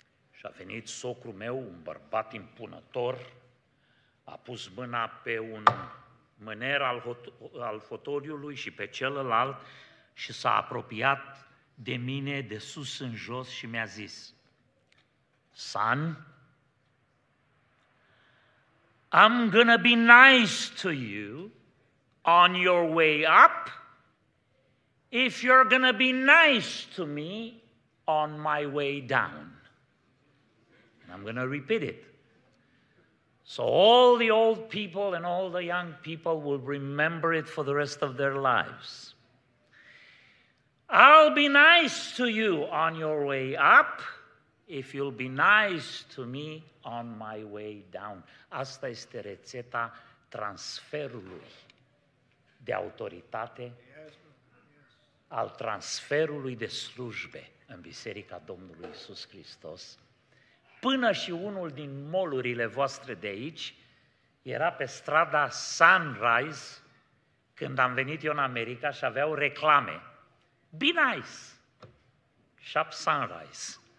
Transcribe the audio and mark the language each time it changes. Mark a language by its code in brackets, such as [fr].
[ro] Și a venit socrul meu, un bărbat impunător, a pus mâna pe un mâner al fotoliului și pe celălalt și s-a apropiat de mine de sus în jos și mi-a zis: [en] "Son, I'm gonna be nice to you on your way up if you're gonna be nice to me on my way down. And I'm gonna repeat it. So all the old people and all the young people will remember it for the rest of their lives. I'll be nice to you on your way up if you'll be nice to me on my way down." [ro] Asta este rețeta transferului de autoritate, al transferului de slujbe în Biserica Domnului Iisus Hristos. Până și unul din molurile voastre de aici era pe strada Sunrise când am venit eu în America și aveau reclame: [en] "Be nice, shop Sunrise."